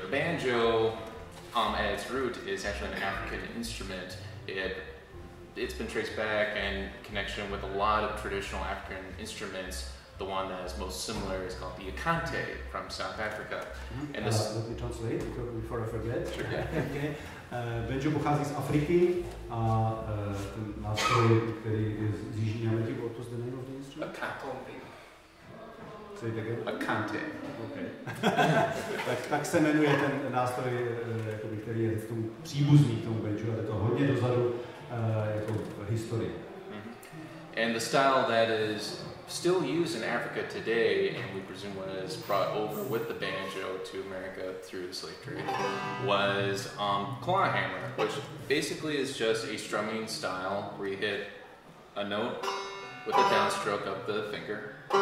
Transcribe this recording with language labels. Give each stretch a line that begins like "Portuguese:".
English: The banjo, at its root, is actually an African instrument. It's been traced back in connection with a lot of traditional African instruments. The one that is most similar is called the ukante from South Africa. Mm-hmm. And this let me translate before I forget. Sure, yeah.
Czech: Banjo pochází z Afriky a ten nástroj, který je z Jižní Ameriky,
English: what was the name of the instrument? Akombi. Say it again. Ukante. Okay.
Czech: tak se jmenuje ten nástroj, jakoby, který je v tom příbuzný k tomu banjo, ale to hodně dozadu jako historie. Mm-hmm.
English: And the style that is still used in Africa today, and we presume was brought over with the banjo to America through the slave trade, was claw hammer, which basically is just a strumming style where you hit a note with a downstroke of the finger.